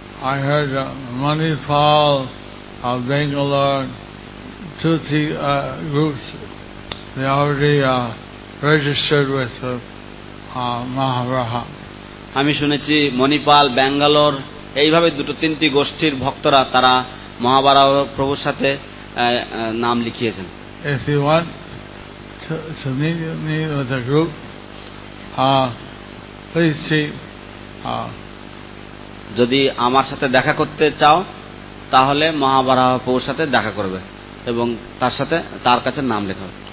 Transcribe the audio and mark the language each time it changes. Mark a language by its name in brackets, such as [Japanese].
[English] I heard Manipal of Bangalore two three groups they already registered with মহারাহা। [Bangla] আমি শুনেছি মণিপাল, ব্যাঙ্গালোর এইভাবে দুটো তিনটি গোষ্ঠীর ভক্তরা তারা মহাবারাহ প্রভুর সাথে নাম লিখিয়েছেন। [English] If you want to meet me with a group, please see. [Bangla] যদি আমার সাথে দেখা করতে চাও তাহলে মহাবারাহ প্রভুর সাথে দেখা করবে এবং তার সাথে তার কাছে নাম লেখাবে।